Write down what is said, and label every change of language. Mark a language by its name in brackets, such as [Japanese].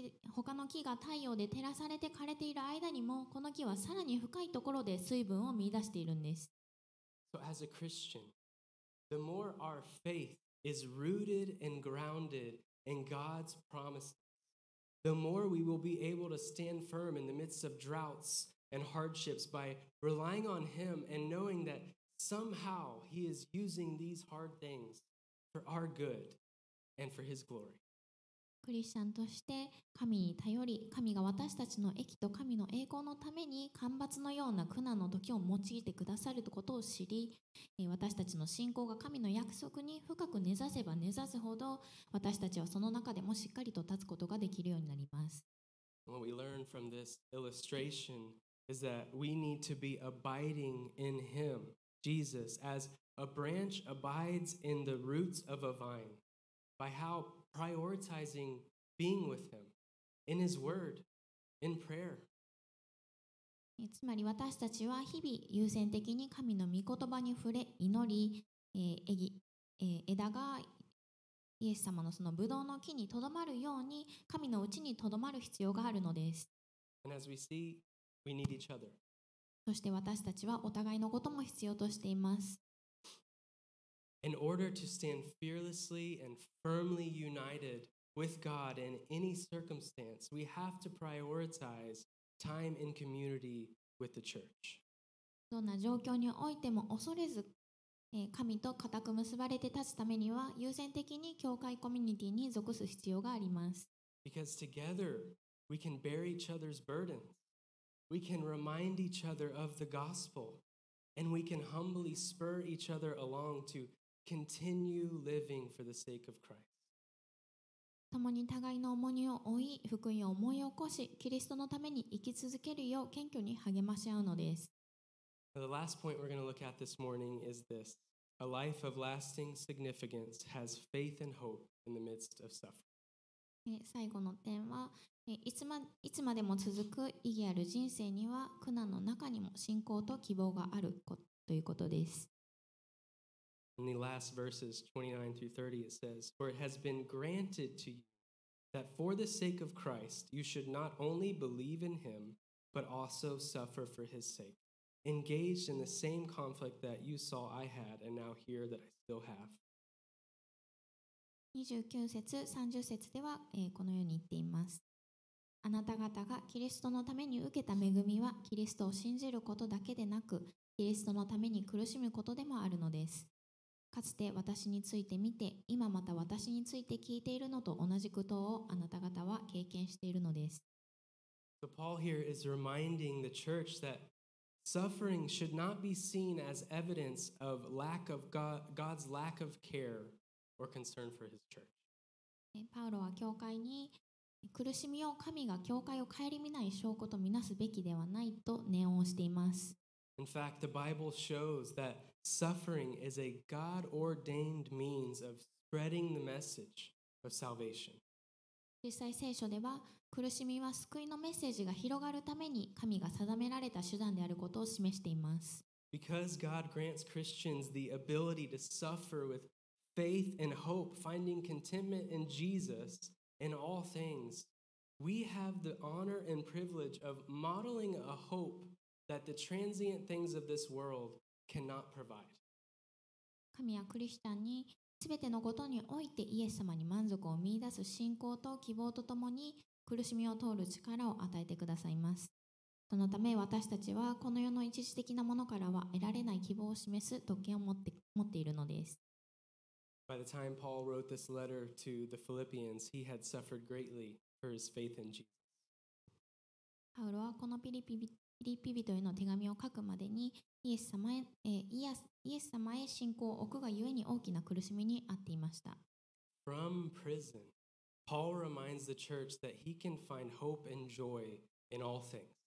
[Japanese] 他の木が太陽で照らされて枯れている間にも、この木はさらに深いところで水分を見出しているんです。 [English] So as a Christian, the more our faith is rooted and grounded. In God's promises, the more we will be able to stand firm in the midst of droughts and hardships by relying on Him and knowing that somehow He is using these hard things for our good and for His glory. [Japanese] クリスチャンとして神に頼り、神が私たちの益と神の栄光のために干ばつのような苦難の時を用いてくださることを知り、私たちの信仰が神の約束に深く根ざせば根ざすほど、私たちはその中でもしっかりと立つことができるようになります。 [English] What we learn from this illustration is that we need to be abiding in Him, Jesus, as a branch abides in the roots of a vine, by how prioritizing being with Him, in His Word, in prayer. [Japanese] つまり私たちは日々優先的に神の御言葉に触れ祈り、枝がイエス様のそのブドウの木にとどまるように神のうちにとどまる必要があるのです。 [English] And as we see, we need each other. [Japanese] そして私たちはお互いのことも必要としています。 [English] In order to stand fearlessly and firmly united with God in any circumstance, we have to prioritize. Time in community with the church. [Japanese] どんな状況においても恐れず、神と固く結ばれて立つためには優先的に教会コミュニティに属す必要があります。 [English] Because together we can bear each other's burdens, we can remind each other of the gospel, and we can humbly spur each other along to continue living for the sake of Christ. [Japanese] 共に互いの重荷を負い、福音を思い起こし、キリストのために生き続けるよう謙虚に励まし合うのです。 [English] The last point we're going to look at this morning is this. A life of lasting significance has faith and hope in the midst of suffering. [Japanese] 最後の点は、いつまでも続く意義ある人生には、苦難の中にも信仰と希望があるということです。 [English] In the last verses, 29 through 30, it says, For it has been granted to you that for the sake of Christ, you should not only believe in him, but also suffer for his sake, engaged in the same conflict that you saw I had and now hear that I still have. [Japanese] 29節、30節では、このように言っています。あなた方がキリストのために受けた恵みは、キリストを信じることだけでなく、キリストのために苦しむことでもあるのです。かつて私について見て、今また私について聞いているのと同じことをあなた方は経験しているのです。 [English] So Paul here is reminding the church that suffering should not be seen as evidence of lack of God's lack of care or concern for his church. [Japanese] パウロは教会に苦しみを神が教会を顧みない証拠とみなすべきではないと念をしています。 [English] In fact, the Bible shows that suffering is a God-ordained means of spreading the message of salvation. [Japanese] 実際聖書では、苦しみは救いのメッセージが広がるために神が定められた手段であることを示しています。 [English] Because God grants Christians the ability to suffer with faith and hope, finding contentment in Jesus in all things, we have the honor and privilege of modeling a hope that the transient things of this world cannot provide. [Japanese] 神はクリスチャンに全てのことにおいてイエス様に満足を見出す信仰と希望とともに苦しみを通る力を与えてくださいます。そのため私たちはこの世の一時的なものからは得られない希望を示す特権を持っているのです。 [English] By the time Paul wrote this letter to the Philippians, he had suffered greatly for his faith in Jesus. [Japanese] パウロはこのピリピ人への手紙を書くまでにイエス様へ信仰を置くがゆえに大きな苦しみにあっていました。 [English] From prison, Paul reminds the church that he can find hope and joy in all things.